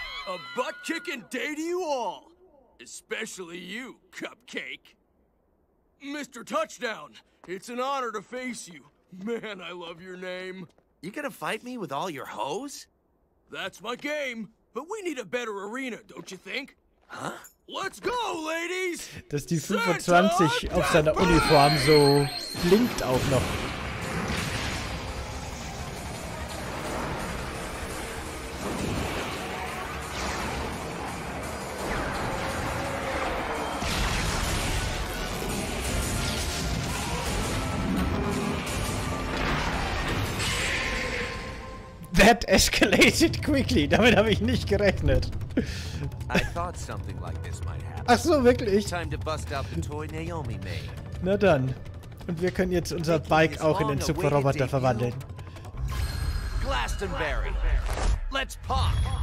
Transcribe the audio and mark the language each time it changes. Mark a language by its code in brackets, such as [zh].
[en] A butt-kicking day to you all, especially you, Cupcake. Mr. Touchdown, it's an honor to face you. Man, I love your name. You gonna fight me with all your hoes? That's my game, but we need a better arena, don't you think? Huh? Let's go, ladies! [de] Dass die 25 auf seiner Uniform so blinkt auch noch. [en] That escalated quickly. [de] Damit habe ich nicht gerechnet. [en] I thought something like this might happen. [de] Ach so, wirklich? [en] Time to bust out the toy Naomi made. [de] Na dann. Und wir können jetzt unser Bike auch in den Superroboter verwandeln. [en] Glastonbury. Let's park.